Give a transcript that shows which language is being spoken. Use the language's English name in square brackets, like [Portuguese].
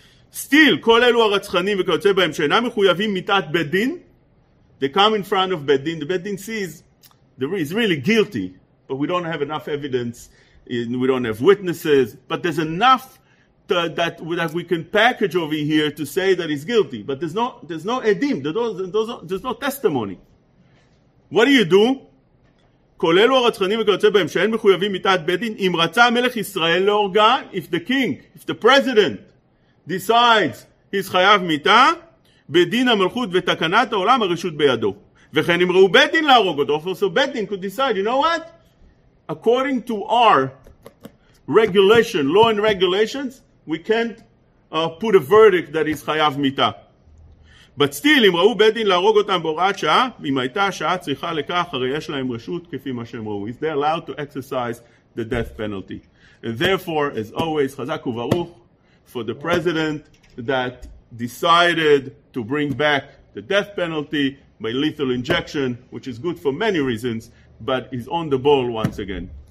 [English] still, [Hebrew] כל אלו הרצחנים וכיוצא בהם שאינם מחויבים מיטת בית דין, [English] they come in front of בית דין, the בית דין sees, there is really guilty, but we don't have enough evidence, we don't have witnesses, but there's enough that we can package over here to say that he's guilty, but there's no edim, there's no testimony. What do you do? [Hebrew] כל אלו הרצחנים וכיוצא בהם שאין מחויבים מיטת בית דין, אם רצה המלך ישראל להורגה, [English] if the king, if the president decides he's [Hebrew] חייב מיטה, בדין המלכות ותקנת העולם הרשות בידו. וכן אם ראו בית דין להרוג אותו, [English] so בית דין could decide, you know what? According to our regulation, law and regulations, we can't put a verdict that he's חייב מיטה. But still, [Hebrew] אם ראו בית דין להרוג אותם בהוראת שעה, אם הייתה שעה צריכה לכך, הרי יש להם רשות כפי מה שהם ראו. [English] Is they allowed to exercise the death penalty? And therefore, as always, חזק וברוך for the president that decided to bring back the death penalty by lethal injection, which is good for many reasons, but is on the ball once again.